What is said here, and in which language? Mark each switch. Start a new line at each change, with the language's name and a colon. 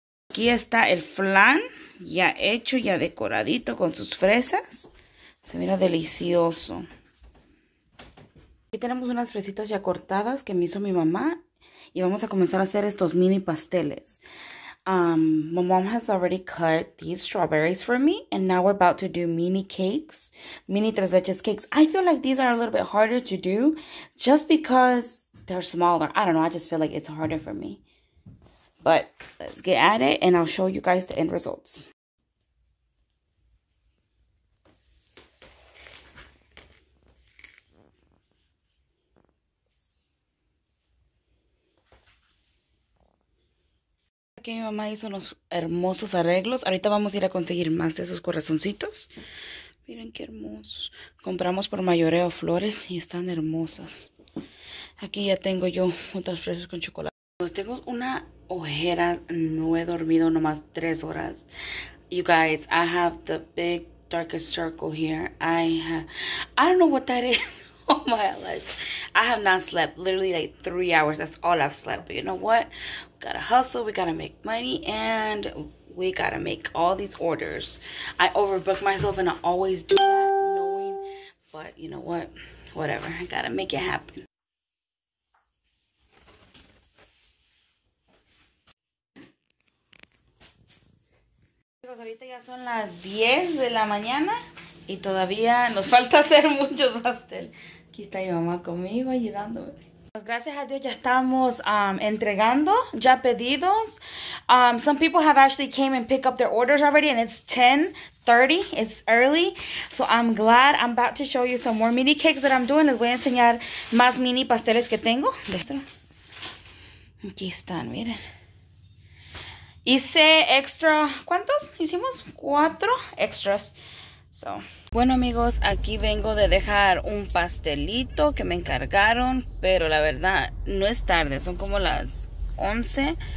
Spanish: Aquí está el flan ya hecho, ya decoradito con sus fresas. Se mira delicioso. Aquí tenemos unas fresitas ya cortadas que me hizo mi mamá. Y vamos a comenzar a hacer estos mini pasteles.
English: My mom has already cut these strawberries for me. And now we're about to do mini cakes. Mini tres leches cakes. I feel like these are a little bit harder to do. Just because they're smaller. I don't know. I just feel like it's harder for me. But let's get at it. And I'll show you guys the end results.
Spanish: Aquí mi mamá hizo unos hermosos arreglos. Ahorita vamos a ir a conseguir más de esos corazoncitos. Miren qué hermosos. Compramos por mayoreo flores y están hermosas. Aquí ya tengo yo otras fresas con chocolate. Tengo una ojera. No he dormido nomás 3 horas.
English: You guys, I have the big darkest circle here. I don't know what that is. Oh my gosh. I have not slept. Literally like 3 hours. That's all I've slept. But you know what? We gotta hustle, we gotta make money, and We gotta make all these orders. I overbook myself and I always do that knowing, but you know what? Whatever, I gotta make it happen.
Spanish: Ahorita ya son las 10 de la mañana y todavía nos falta hacer muchos pasteles. Aquí está mi mamá conmigo ayudándome. Pues gracias a Dios ya estamos entregando, ya pedidos.
English: Some people have actually came and picked up their orders already and it's 10:30, it's early. So I'm glad. I'm about to show you some more mini cakes that I'm doing.
Spanish: Les voy a enseñar más mini pasteles que tengo. Aquí están, miren. Hice extra, ¿cuántos? Hicimos 4 extras. So. Bueno amigos, aquí vengo de dejar un pastelito que me encargaron, pero la verdad no es tarde, son como las 11.